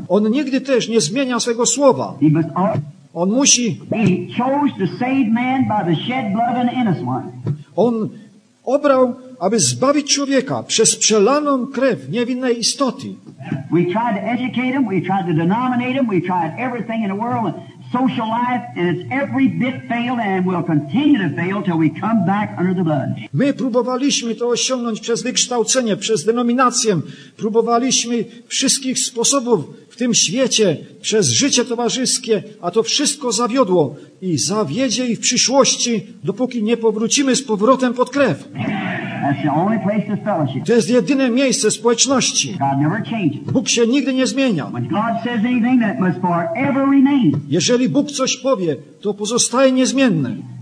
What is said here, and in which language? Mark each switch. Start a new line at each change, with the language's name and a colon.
Polish: On nigdy też nie zmienia swojego słowa. On musi.
English: He chose to save man by the shed blood of an innocent one.
Polish: On obrał, aby zbawić człowieka przez przelaną krew niewinnej istoty.
English: We tried to educate him, we tried to denominate him, we tried everything in the world and social life, and it's every bit failed and will continue to fail till we come back under the blood.
Polish: My próbowaliśmy to osiągnąć przez wykształcenie, przez denominację, próbowaliśmy wszystkich sposobów w tym świecie, przez życie towarzyskie, a to wszystko zawiodło i zawiedzie i w przyszłości, dopóki nie powrócimy z powrotem pod krew.
English: That's the only place of fellowship.
Polish: To jest jedyne miejsce społeczności.
English: God never changes.
Polish: Bóg się nigdy nie zmienia.
English: When God says anything, that must forever remain.
Polish: Jeżeli Bóg coś powie, to pozostaje niezmienne.